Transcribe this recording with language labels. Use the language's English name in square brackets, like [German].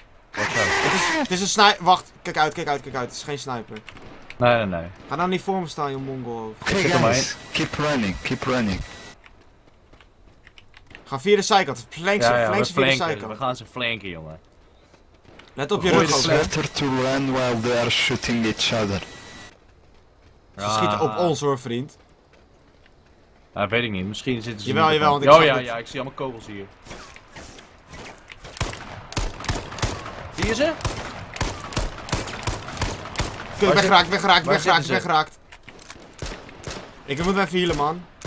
[Dutch] Het is een sniper, wacht, kijk uit, het is geen sniper. Nee. Ga nou niet voor me staan, joh mongol. [English] Hey guys, keep running. [Dutch] Ga via de zijkant, flank ze via de zijkant. We gaan ze flanken, jongen. Let op je rug, [English] it's better to run while they are shooting each other. [Dutch] Ze schieten op ons hoor, vriend. Nou, weet ik niet, misschien zitten ze... Jawel, want ik... Oh ja, ik zie allemaal kogels hier. Zie je ze? Weggeraakt. Ik moet even healen, man.